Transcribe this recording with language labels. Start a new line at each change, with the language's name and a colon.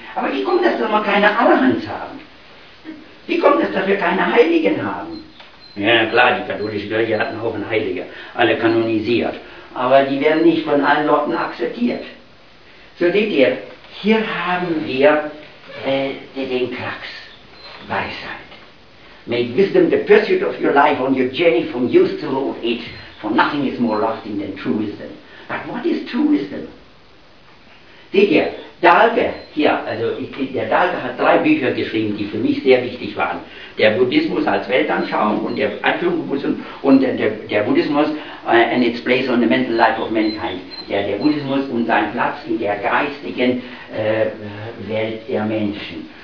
German: Aber wie kommt das, dass wir keine Allerhands haben? Wie kommt das, dass wir keine Heiligen haben? Ja klar, die katholische Kirche hat einen Haufen Heilige, alle kanonisiert. Aber die werden nicht von allen Leuten akzeptiert. So seht ihr, hier haben wir den Krux, Weisheit.
English: Make wisdom the pursuit of your life on your journey from youth to old age, for nothing is more lasting than true wisdom. But what is true wisdom?
German: Seht ihr, Dalge, hier, also der Dalge hat drei Bücher geschrieben, die für mich sehr wichtig waren. Der Buddhismus als Weltanschauung und der Einführung und der Buddhismus
English: and its place on the mental life of mankind.
German: Der Buddhismus und sein Platz in der geistigen Welt der Menschen.